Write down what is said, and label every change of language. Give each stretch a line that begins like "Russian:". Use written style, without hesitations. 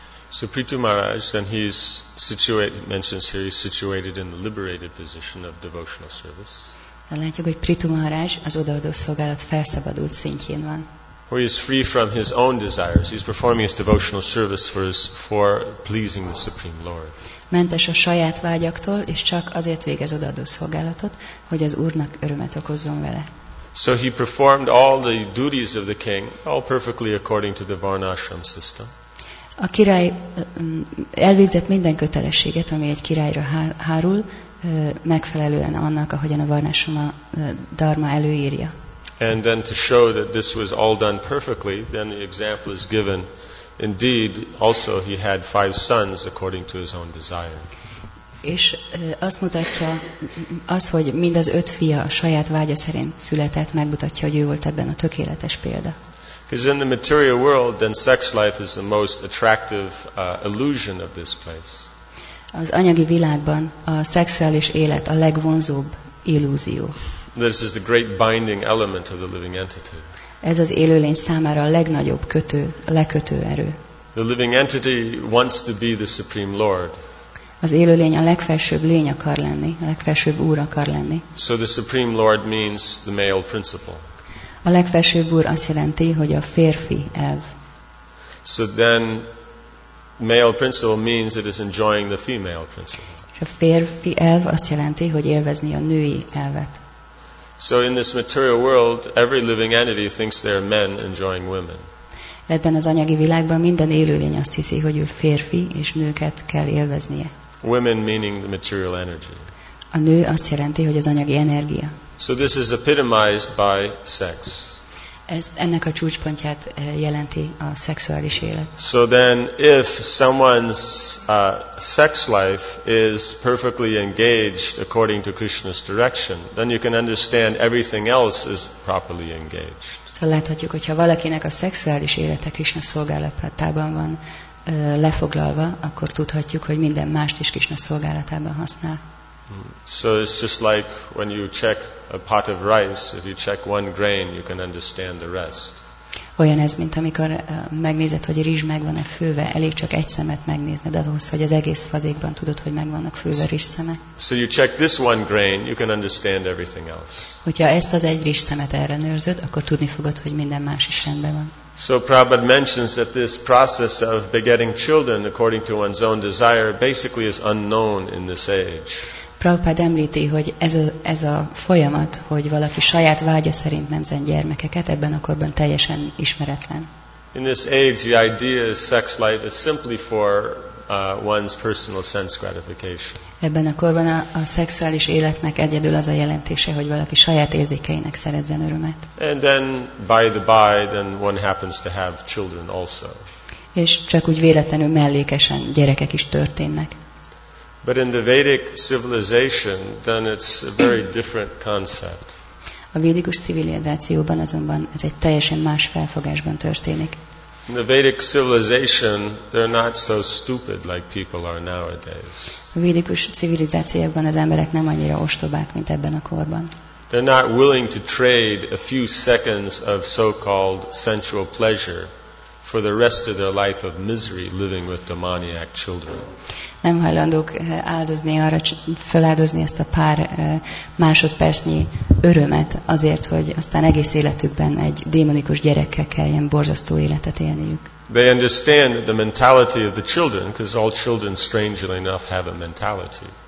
English: So Pritu Maharaj, then he's situated, mentions here, he's situated in the liberated position of devotional service.
Hungarian: Látjuk, hogy Pritu Maharaj az odaadó szolgálat felszabadult szintjén van.
English: Or he is free from his own desires. He's performing his devotional service for pleasing the Supreme Lord.
Hungarian: Mentes a saját vágyaktól, és csak azért végez odaadó szolgálatot, hogy az Úrnak örömet okozzon vele.
English: So he performed all the duties of the king, all perfectly according to the Varnashram system.
Hungarian: A király elvégzett minden kötelességet, ami egy királyra hárul, megfelelően annak, ahogyan a Varnashrama dharma előírja.
English: And then to show that this was all done perfectly, then the example is given. Indeed, also he had five sons according to his own desire.
Hungarian: És azt mutatja, az, hogy mind az öt fia a saját vágya szerint született, megmutatja, hogy ő volt ebben a tökéletes példa.
English: Because in the material world, then sex life is the most attractive illusion of this place.
Hungarian: Az anyagi világban a szexuális élet a legvonzóbb illúzió.
English: This is the great binding element of the living entity.
Hungarian: Ez az élőlény számára a legnagyobb kötő, lekötő erő.
English: The living entity wants to be the supreme lord.
Hungarian: Az élőlény a legfelsőbb lény akar lenni, a legfelsőbb úr akar lenni.
English: So the supreme lord means the male principle.
Hungarian: A legfelsőbb úr azt jelenti, hogy a férfi elv.
English: So then male principle means it is enjoying the female principle.
Hungarian: És a férfi elv azt jelenti, hogy élvezni a női elvet.
English: So in this material world, every living entity thinks they are men enjoying women.
Hungarian: Ebben az anyagi világban minden élőlény azt hiszi, hogy ő férfi és nőket kell élveznie.
English: Women meaning the material energy.
Hungarian: A nő azt jelenti, hogy az anyagi energia.
English: So this is epitomized by sex.
Hungarian: Ez ennek a csúcspontját jelenti a szexuális élet.
English: So then if someone's sex life is perfectly engaged according to Krishna's direction, then you can understand everything else is properly engaged.
Hungarian: Tehát láthatjuk, hogyha valakinek a szexuális élete Krishna szolgálatában van lefoglalva, akkor tudhatjuk, hogy minden mást is Krishna szolgálatában használ.
English: So it's just like when you check a pot of rice, if you check one grain, you can understand the rest.
Hungarian: Olyan ez, mint amikor megnézed, hogy a rizs meg van-e főve, elég csak egy szemet megnézned ahhoz, hogy az egész fazékban tudod, hogy meg vannak főve rizs szemek.
English: So you check this one grain, you can understand everything else.
Hungarian: Hogyha ezt az egy rizs szemet ellenőrzöd, akkor tudni fogod, hogy minden más is rendben van.
English: So Prabhupada mentions that this process of begetting children according to one's own desire basically is unknown in this age.
Hungarian: Prabhupád említi, hogy ez a folyamat, hogy valaki saját vágya szerint nemzen gyermekeket, ebben a korban teljesen ismeretlen.
English: In this age, the idea is sex life is simply for one's personal sense gratification.
Hungarian: Ebben a korban a szexuális életnek egyedül az a jelentése, hogy valaki saját érzékeinek szerezzen örömet.
English: And then, by the by, then one happens to have children also.
Hungarian: És csak úgy véletlenül mellékesen gyerekek is történnek.
English: But in the Vedic civilization, then it's a very different concept.
Hungarian: A védikus civilizációban azonban ez egy teljesen más felfogásban történik.
English: In the Vedic civilization, they're not so stupid like people are nowadays.
Hungarian: A védikus civilizációban az emberek nem annyira ostobák, mint ebben a korban.
English: They're not willing to trade a few seconds of so-called sensual pleasure for the rest of their life of misery living with demoniac children.
Hungarian: Nem hajlandók áldozni arra, feláldozni ezt a pár másodpercnyi örömet azért, hogy aztán egész életükben egy démonikus gyerekkel kelljen borzasztó életet élniük.
English: They understand the mentality of the children, because all children strangely enough have a mentality.